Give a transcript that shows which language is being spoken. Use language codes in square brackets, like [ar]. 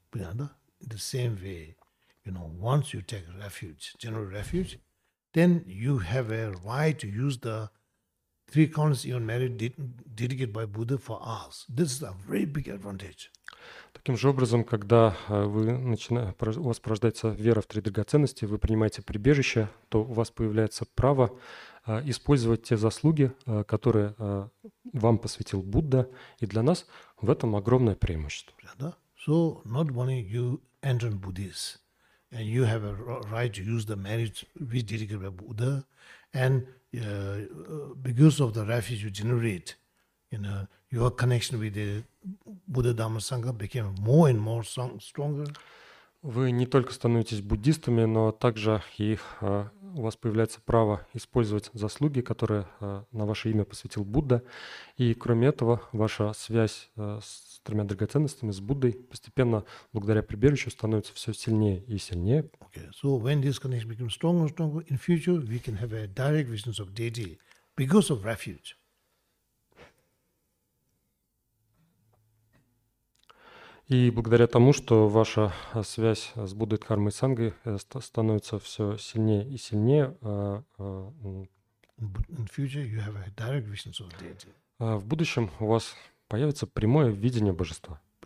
[ru] Понятно? [en] In the same way, you know, once you take refuge, general refuge, then you have a right to use the three counts you merited dedicated by Buddha for us. This is a very big advantage. [ru] Таким же образом, когда у вас порождается вера в три драгоценности, вы принимаете прибежище, то у вас появляется право использовать те заслуги, которые вам посвятил Будда, и для нас в этом огромное преимущество. [en] So not only you enter Buddhist, and you have a right to use the merit which dedicated by Buddha, and because of the refuge you generate, you know, your connection with the Buddha Dhamma Sangha became more and more stronger. [ru] Вы не только становитесь буддистами, но также у вас появляется право использовать заслуги, которые на ваше имя посвятил Будда. И кроме этого, ваша связь с тремя драгоценностями, с Буддой, постепенно, благодаря прибежищу, становится все сильнее и сильнее. [en] Okay. So when this connection becomes stronger and stronger, in future we can have a direct vision of deity because of refuge. [ru] И благодаря тому, что ваша связь с Буддой, Дхармой и Сангой становится все сильнее и сильнее, в будущем у вас появится прямое видение божества.